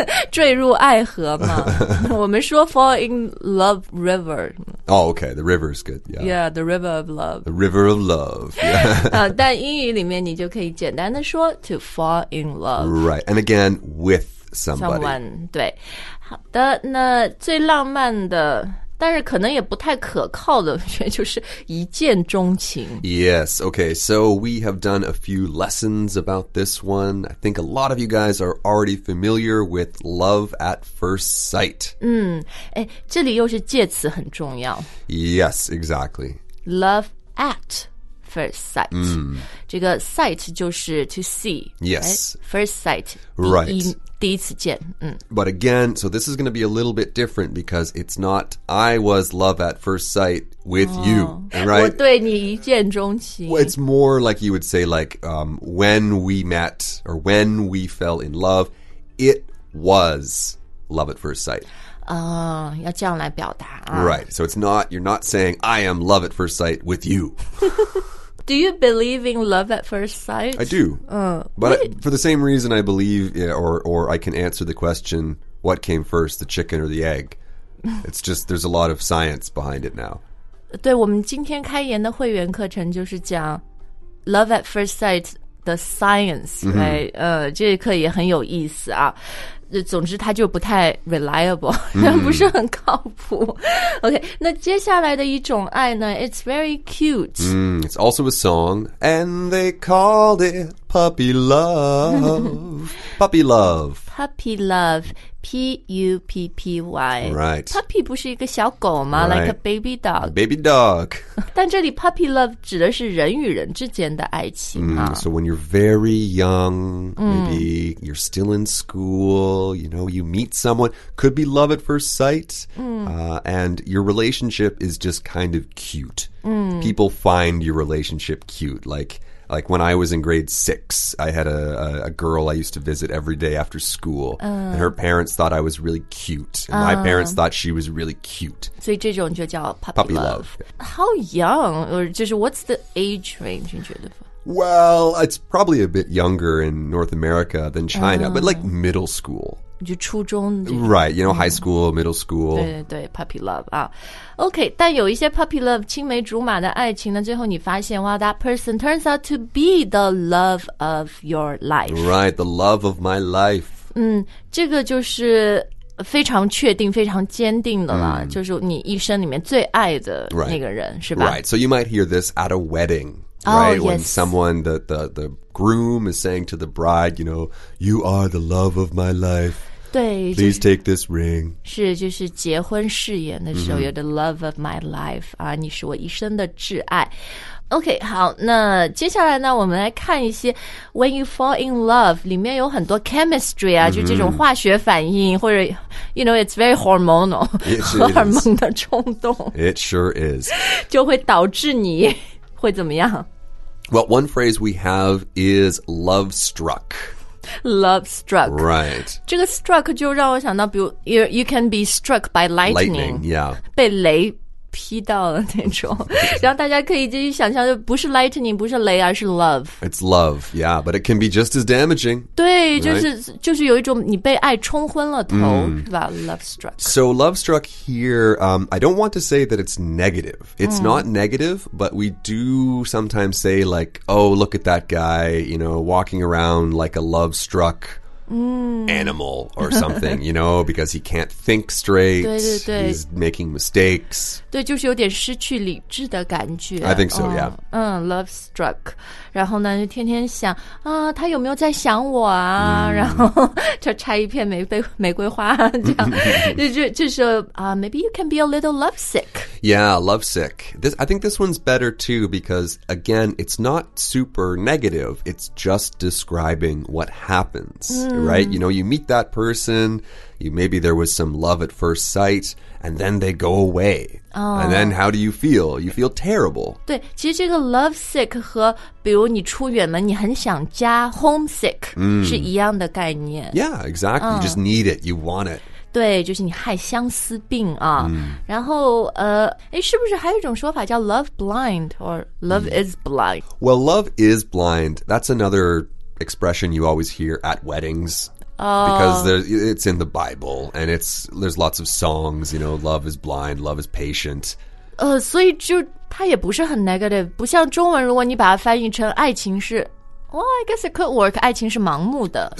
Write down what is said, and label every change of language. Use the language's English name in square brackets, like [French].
[Chinese] 坠入爱河嘛我们说 [English] fall in love river Oh, okay, the river is good Yeah, yeah the river of love The river of love、yeah. [Chinese] 但英语里面你就可以简单的说 [English] To fall in love Right, and again, with somebody [Chinese] Someone, 对好的那最浪漫的但是可能也不太可靠的就是一见钟情 [English] Yes, okay, so we have done a few lessons about this one I think a lot of you guys are already familiar with love at first sight [Chinese] 这里又是介词很重要 [English] Yes, exactly Love at first sight、 [Chinese] 这个 [English] sight [Chinese] 就是 [English] to see Yes、 First sight Right [Chinese] 第一次见、 [English] But again, so this is going to be a little bit different because it's not I was love at first sight with、you, right? [Chinese] 我对你一见钟情 [English] well, It's more like you would say like、when we met or when we fell in love, it was love at first sight. [Chinese] 要这样来表达、 [English] Right, so it's not, you're not saying I am love at first sight with you. Do you believe in love at first sight? I do. But for the same reason I believe, yeah, or I can answer the question, what came first, the chicken or the egg? It's just, there's a lot of science behind it now. [Chinese] 对,我们今天开言的会员课程就是讲 [English] love at first sight, the science, right? [Chinese] 这课也很有意思啊。总之它就不太 [English] reliable,、 [Chinese] 不是很靠谱。 OK, 那接下来的一种爱呢 , [English] it's very cute.、 It's also a song, and they called it puppy love. Puppy love. Puppy love, P-U-P-P-Y. Right. [Chinese] Puppy 不是一个小狗吗、 [English] right. ?Like a baby dog. Baby dog. [Chinese] 但这里 [English] puppy love [Chinese] 指的是人与人之间的爱情、 [English] So when you're very young, maybe you're still in school,you know, you meet someone, could be love at first sight,、and your relationship is just kind of cute.、People find your relationship cute. Like when I was in grade six, I had a girl I used to visit every day after school,、and her parents thought I was really cute, and、my parents thought she was really cute. [Chinese] 所以这种就叫 [English] puppy love. How young, or [Chinese] 就是 [English] what's the age range, [Chinese] 你觉得 [English] for? Well, it's probably a bit younger in North America than China,、but like middle school. [Chinese] 就初中。 [English] Right, you know,、high school, middle school. [Chinese] 对对 [English] puppy love.、 [Chinese] OK, 但有一些 puppy love, 青梅竹马的爱情呢最后你发现 [English] well, that person turns out to be the love of your life. Right, the love of my life.、 [Chinese] 这个就是非常确定非常坚定的了、就是你一生里面最爱的那个人、 [English] right. [Chinese] 是吧 [English] Right, so you might hear this at a wedding. Right, when someone, the groom is saying to the bride, you know, you are the love of my life. [Chinese] 对 [English] Please、 [Chinese] 就是、 [English] take this ring. [Chinese] 是就是结婚誓言的时候、 [English] you're the love of my life. [Chinese] 啊，你是我一生的挚爱。 OK, 好那接下来呢我们来看一些 [English] When you fall in love, [Chinese] 里面有很多 chemistry 啊、就这种化学反应或者 [English] you know, it's very hormonal, it [Chinese] 荷尔蒙的冲动。 [English] It sure is. [Chinese] 就会导致你会怎么样 [English] Well, one phrase we have is love struck. Love struck. Right. [Chinese] 这个 struck 就让我想到比如 [English] you can be struck by lightning. Lightning, yeah. [Chinese] 被雷劈到了那种，然后大家可以继续想象，就不是 [English] lightning， [Chinese] 不是雷，而是 love。 [English] It's love, yeah, but it can be just as damaging. [Chinese] 对， [English] right? [Chinese] 就是有一种你被爱冲昏了头，是吧？ [English] Love struck. So love struck here, I don't want to say that it's negative. It's not negative, but we do sometimes say like, oh, look at that guy, you know, walking around like a love struck. Animal or something, you know, because he can't think straight. [Chinese] 对对对 [English] He's making mistakes. [Chinese] 对，就是有点失去理智的感觉。 [English] I think so, yeah. 嗯、oh, love struck. [Chinese] 然后呢，就天天想啊，他有没有在想我啊？ Mm. 然后就拆一片玫瑰花，这样就是啊、 [English] maybe you can be a little lovesick. Yeah, lovesick. I think this one's better too because again, it's not super negative. It's just describing what happens. Right? You know, you meet that person, maybe there was some love at first sight, and then they go away.、 Oh. And then how do you feel? You feel terrible. [Chinese] 对，其实这个 [English] lovesick [Chinese] 和比如你出远门，你很想家 [English] homesick、 [Chinese] 是一样的概念。 [English] Yeah, exactly.、You just need it. You want it. [Chinese] 对，就是你害相思病啊。然后是不是还有一种说法叫 [English] love blind or love、is blind? Well, love is blind. That's another... expression you always hear at weddings、because it's in the Bible and there's lots of songs, you know, love is blind, love is patient. [Chinese] 所以就它也不是很 [English] negative, [Chinese] 不像中文如果你把它翻译成爱情是 [English] well, I guess it could work, [Chinese] 爱情是盲目的。